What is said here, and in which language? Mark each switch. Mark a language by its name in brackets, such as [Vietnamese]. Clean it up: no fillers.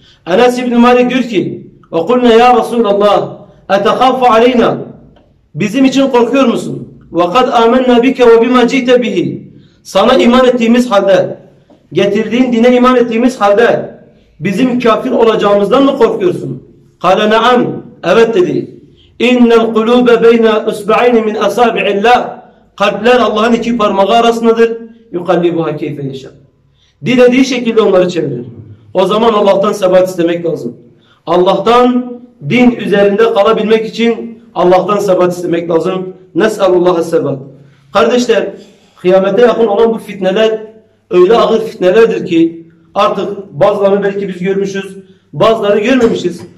[Turkish] Enes İbni Malik diyor ki [Arabic] ve kulne ya Resulallah etekaffu aleyna [Turkish] bizim için korkuyor musun? [Arabic] وَقَدْ آمَنَّا بِكَ وَبِمَا جِيْتَ بِهِ [Turkish] sana iman ettiğimiz halde, getirdiğin dine iman ettiğimiz halde bizim kafir olacağımızdan mı korkuyorsun? [Arabic] قَالَ نَعَمْ [Turkish] evet dedi. [Arabic] اِنَّ الْقُلُوبَ بَيْنَا اُسْبَعَيْنِ مِنْ أَسَابِعِ اللّٰهِ [Turkish] kalpler Allah'ın iki parmağı arasındadır. [Arabic] يُقَلِّبُهَا كَيْفَ يَشَاءُ [Turkish] dilediği şekilde onları çevirir. O zaman Allah'tan sebat istemek lazım. Allah'tan din üzerinde kalabilmek için Allah'tan sebat istemek lazım. Nes'alullah'a sebat. Kardeşler, kıyamete yakın olan bu fitneler öyle ağır fitnelerdir ki artık bazılarını belki biz görmüşüz, bazıları görmemişiz.